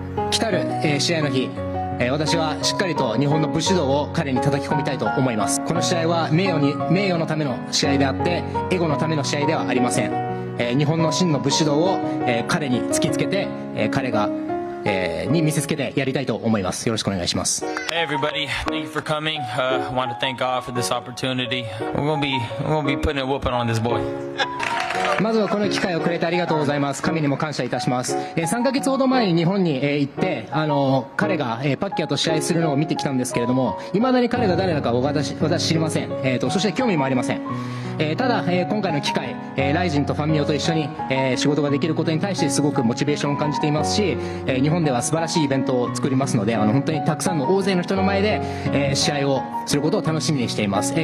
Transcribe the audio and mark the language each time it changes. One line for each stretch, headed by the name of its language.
Japanese: 来たる、試合の日、私はしっかりと日本の武士道を彼に叩き込みたいと思います。この試合は名誉のための試合であってエゴのための試合ではありません。日本の真の武士道を、彼に突きつけて、彼が、に見せつけてやりたいと思います。よろしくお願いします。
English: Hey everybody, thank you for coming. I want to thank God for this opportunity. We're gonna be putting a whooping on this boy.
Japanese: まずはこの機会をくれてありがとうございます。神にも感謝いたします。3ヶ月ほど前に日本に行って、彼がパッキャオと試合するのを見てきたんですけれども、いまだに彼が誰だか私知りません。そして興味もありません。ただ今回の機会、ライジンとファンミオと一緒に仕事ができることに対してすごくモチベーションを感じていますし、日本では素晴らしいイベントを作りますので、本当にたくさんの大勢の人の前で試合をすることを楽しみにしています。